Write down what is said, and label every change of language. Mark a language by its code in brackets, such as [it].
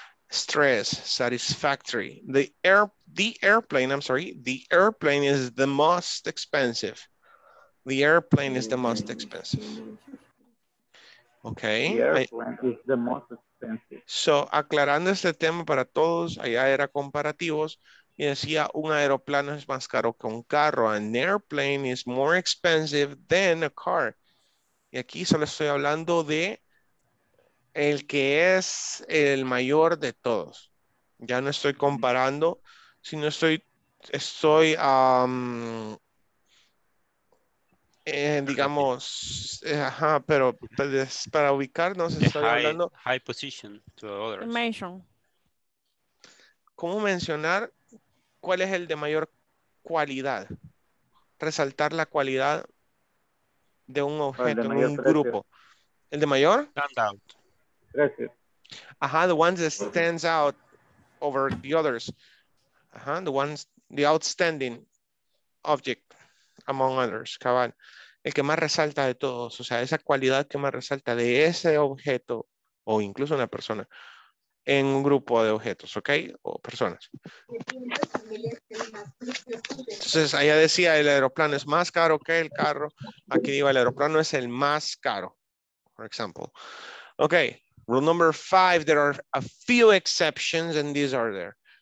[en] Stress, satisfactory. The airplane is the most expensive. The airplane is the most expensive. Okay. The airplane is the most expensive. [es] So, aclarando este tema para todos, allá era comparativos. Y decía, un aeroplano es más caro que un carro. [en] An airplane is more expensive than a car. [es] Y aquí solo estoy hablando de el que es el mayor de todos. Ya no estoy comparando, sino para ubicarnos, estoy hablando... [en] High position to others. Information. [es] ¿Cómo mencionar cuál es el de mayor cualidad? Resaltar la cualidad de un objeto, de un grupo. ¿El de mayor? [en] Stand out. [es] Gracias. [en] Ajá, the ones that stands out over the others. Ajá, the ones, the outstanding object among others. [es] Cabal. El que más resalta de todos, o sea, esa cualidad que más resalta de ese objeto o incluso una persona en un grupo de objetos, ¿ok? O personas. Entonces, allá decía el aeroplano es más caro que el carro. Aquí digo el aeroplano es el más caro, [en] for example. Ok, rule number 5, there are a few exceptions and these are there.